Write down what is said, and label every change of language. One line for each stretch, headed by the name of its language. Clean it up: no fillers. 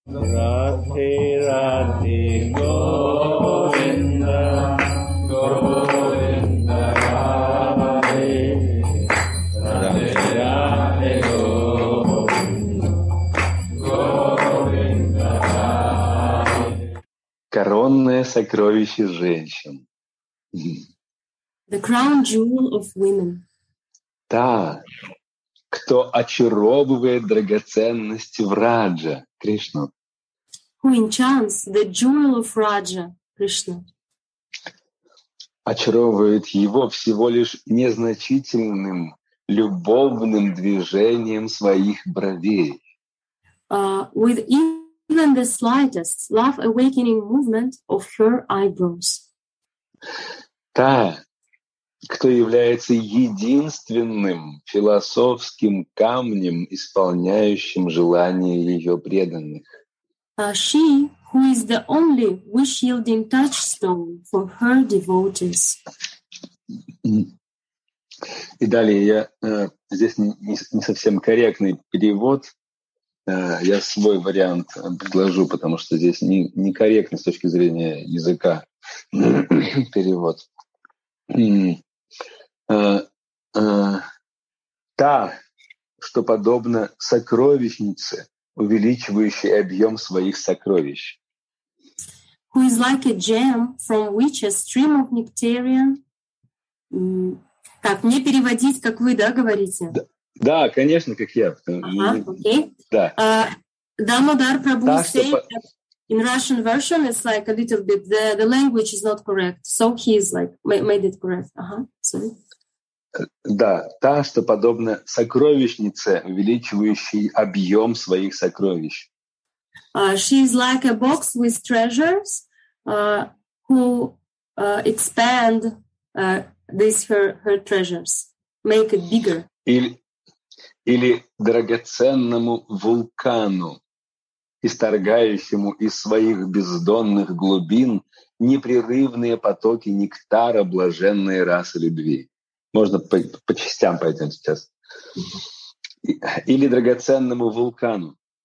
Sanskrit: Radhe Radhe Govinda Govinda Radhe Radhe Radhe Govinda
Russian: Коронное сокровище женщин.
English: The crown jewel of women.
Russian: Та, кто очаровывает драгоценности в Раджа, Кришну.
English: Who enchants the jewel of Raja, Krishna.
Russian: Очаровывает его всего лишь незначительным любовным движением своих бровей.
English: With even the slightest love-awakening movement of her eyebrows.
Russian: Та, кто является единственным философским камнем, исполняющим желания ее преданных.
English: She who is the only wish-yielding touchstone for her devotees.
Russian: И далее я здесь не совсем корректный перевод. Я свой вариант предложу, потому что здесь не корректный с точки зрения языка перевод. Та, что подобно сокровищнице, увеличивающий объем своих сокровищ.
English: Who is like a gem, from which a stream of nectarian...
Russian: Так, мне переводить, как вы, да, говорите? Да, конечно, как я. Ага, окей. Да.
English: Дамодар Прабху said, in Russian version, it's like a little bit, the language is not correct. So he is like, made it correct.
Russian: Ага,
English: sorry.
Russian: Да, та, что подобно сокровищнице, увеличивающей объем своих сокровищ.
English: She is like a box with treasures, who expand this her treasures, make it bigger.
Russian: Или драгоценному вулкану, исторгающему из своих бездонных глубин непрерывные потоки нектара блаженной расы любви. Можно по частям пойдем сейчас. Или драгоценному вулкану.